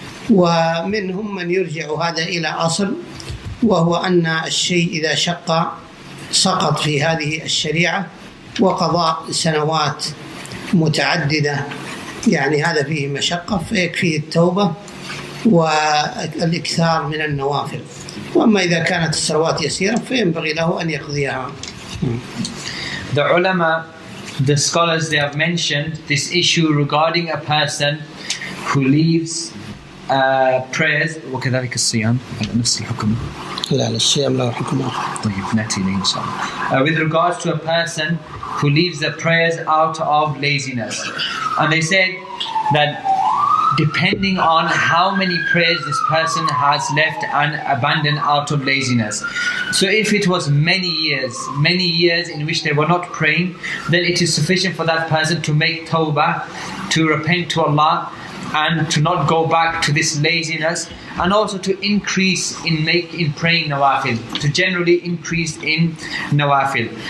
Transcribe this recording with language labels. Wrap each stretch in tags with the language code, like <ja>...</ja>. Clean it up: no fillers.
<ar>ومنهم من يرجع هذا إلى أصل، وهو أن الشيء إذا شق سقط في هذه الشريعة، وقضاء سنوات متعددة يعني هذا فيه مشقة، فيكفيه التوبة والإكثار من النوافل. وأما إذا كانت الصلوات يسيرة فينبغي له أن يقضيها.</ar> <en>The ulama, the scholars, they have mentioned this issue regarding a person who leaves prayers.</en> <ar>وكذلك الصيام على نفس الحكم. لا الصيام لا حكم آخر. طيب نأتي إن شاء الله.</ar> <en>With regards to a person who leaves the prayers out of laziness, and they said that depending on how many prayers this person has left and abandoned out of laziness. So if it was many years in which they were not praying, then it is sufficient for that person to make tawbah, to repent to Allah, and to not go back to this laziness, and also to increase in praying nawafil, to generally increase in nawafil.</en>